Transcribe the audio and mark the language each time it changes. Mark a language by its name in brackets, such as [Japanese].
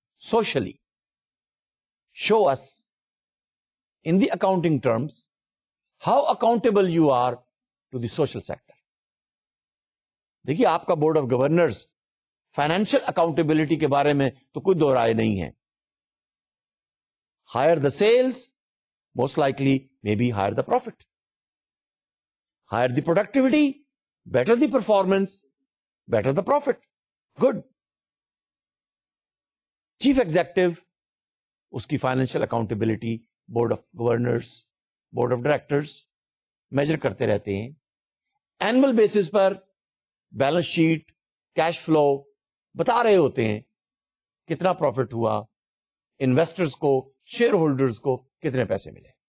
[English] Socially show us in the accounting terms how accountable you are to the social sector. [Urdu] دیکھیے آپ کا board of governors financial accountability کے بارے میں تو کوئی دو رائے نہیں ہے. [English] Higher the sales most likely may be higher the profit, higher the productivity better the performance better the profit. Good. [Urdu] Chief executive اس کی financial accountability board of governors board of directors major کرتے رہتے ہیں, annual basis پر balance sheet cash flow بتا رہے ہوتے ہیں کتنا profit ہوا, انویسٹرز کو شیئر ہولڈرز کو کتنے پیسے ملے.